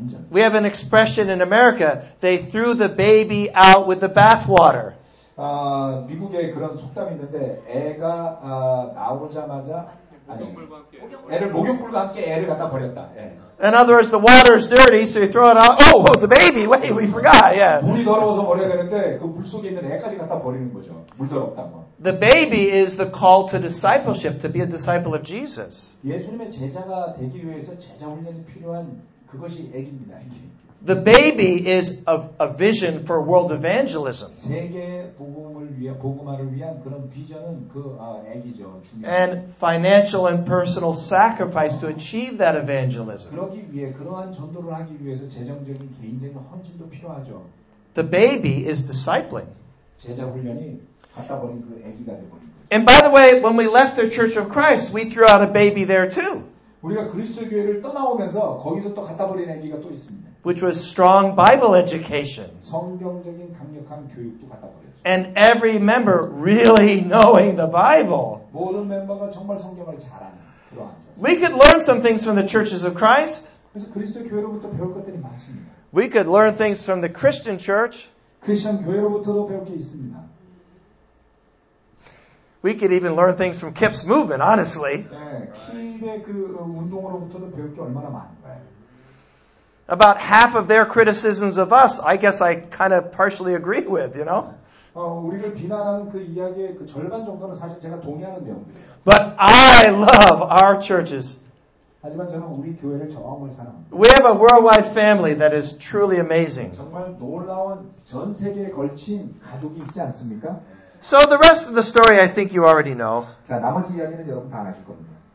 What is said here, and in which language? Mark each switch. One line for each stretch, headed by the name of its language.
English: We have an expression in America, they threw the baby out with the bathwater.
Korean: 미국에 그런 속담이 있는데 애가 나오자마자 애를 목욕물과 함께 애를 갖다 버렸다. 예.
English: In other words, the water is dirty, so you throw it out. Oh, the baby! Wait, we forgot. Yeah.
Korean: 물이 더러워서 버려야 되는데 그 물 속에 있는 애까지 갖다 버리는 거죠. 물 더럽다고.
English: The baby is the call to discipleship, to be a disciple of Jesus.
Korean: 예수님의 제자가 되기 위해서 제자 훈련이 필요한 그것이 애기입니다. 애기.
English: The baby is a vision for world evangelism.
Korean: 세계 복음을 위해 복음화를 위한 그런 비전은 그 아기죠.
English: And financial and personal sacrifice to achieve that evangelism.
Korean: 그러기 위해 그러한 전도를 하기 위해서 재정적인 개인적인 헌신도 필요하죠.
English: The baby is discipling.
Korean: 제자 훈련이 갖다 버린 그 아기가 되거든요.
English: And by the way, when we left the Church of Christ, we threw out a baby there too.
Korean: 우리가 그리스도 교회를 떠나오면서 거기서 또 갖다 버린 아기가 또 있습니다.
English: Which was strong Bible education.
Korean: 성경적인 강력한 교육도 갖다 버렸죠.
English: And every member really knowing the Bible.
Korean: 모든 멤버가 정말 성경을 잘 아는 그러한.
English: We could learn some things from the churches of Christ.
Korean: 그래서 그리스도 교회로부터 배울 것들이 많습니다.
English: We could learn things from the Christian church.
Korean: 크리스천 교회로부터도 배울 게 있습니다.
English: We could even learn things from Kip's movement, honestly.
Korean: 네, 킵의 그 운동으로부터도 배울 게 얼마나 많은가요?
English: About half of their criticisms of us, I guess I kind of partially agree with, you know?
Korean: 우리를 비난하는 그 이야기의 그 절반 정도는 사실 제가 동의하는 내용입니다.
English: But I love our churches.
Korean: 하지만 저는 우리 교회를 정말 사랑합니다.
English: We have a worldwide family that is truly amazing.
Korean: 정말 놀라운 전 세계에 걸친 가족이 있지 않습니까?
English: So the rest of the story I think you already know.
Korean: 자, 나머지 이야기는 여러분 다 아실 겁니다.